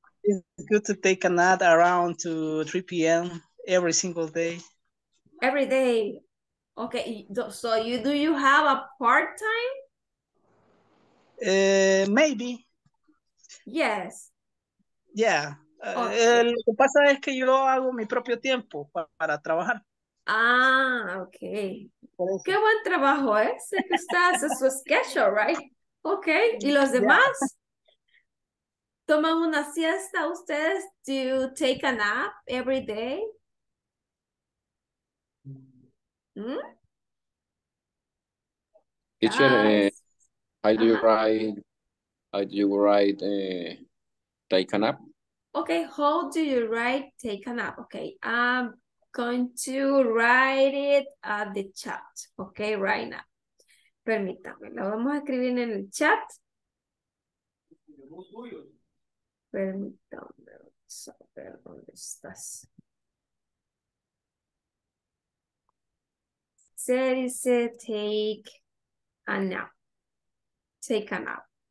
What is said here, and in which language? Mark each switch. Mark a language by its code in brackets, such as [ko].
[en] It's good to take a nap around to 3 p.m. every single day. Every day. Okay, so do you have a part-time? Maybe. Yes. Yeah. Okay. [es] Lo que pasa es que yo hago mi propio tiempo para trabajar. Ah, okay. Qué buen trabajo, ¿eh? Sé que usted hace su schedule, right? Okay, ¿y los demás? Yeah. ¿Toman una siesta ustedes? [en] Do you take a nap every day? Teacher, how do you write take a nap? Okay, how do you write take a nap? Okay, I'm going to write it at the chat, okay, right now. [es] Permítame, lo vamos a escribir en el chat. Permítame, saber dónde estás. Se dice [en] take a nap. Take a nap.